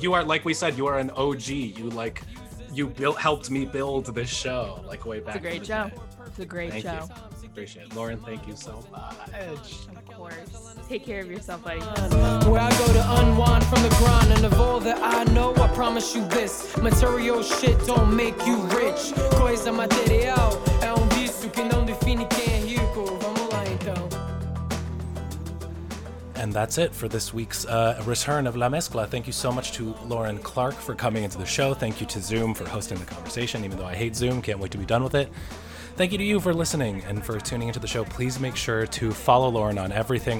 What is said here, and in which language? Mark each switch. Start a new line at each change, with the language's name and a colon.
English: You are, like we said, you are an OG. You helped me build this show like way back. It's a great show. Thank you. Appreciate it. Lauren, thank you so much. Of course. Take care of yourself, buddy. Where I go to unwind from the grind, and of all that I know, I promise you this. Material shit don't make you rich.
Portuguese: Coisa material é vício que não define quem é rico. Vamos lá, então.
English: And that's it for this week's return of La Mezcla. Thank you so much to Lauren Clark for coming into the show. Thank you to Zoom for hosting the conversation, even though I hate Zoom. Can't wait to be done with it. Thank you to you for listening and for tuning into the show. Please make sure to follow Lauren on everything.